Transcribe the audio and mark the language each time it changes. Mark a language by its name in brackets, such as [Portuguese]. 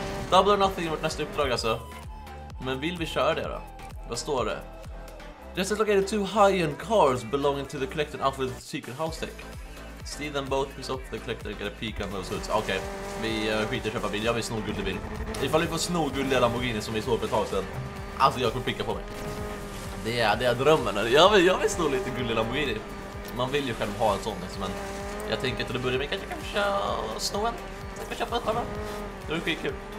[English] Double or nothing [Swedish] är vårt nästa uppdrag alltså. Men vill vi köra det då? Vad står det? [English] Just located two high-end cars belonging to the collector out with secret house tech. Steal them both, piss off the collector and get a peek on those hoods. [Swedish] Okej, vi skiter köpa bil. Jag vill sno guld i bil. Ifall vi får sno guld i Lamborghini som vi såg för ett tag sedan. Alltså jag kommer picka på mig. Det är drömmen. Jag vill sno lite guld i Lamborghini. Man vill ju själv ha en sån, men jag tänker att det börjar med att jag kanske sno en. Jag kan köpa ett par. Det är skitkul.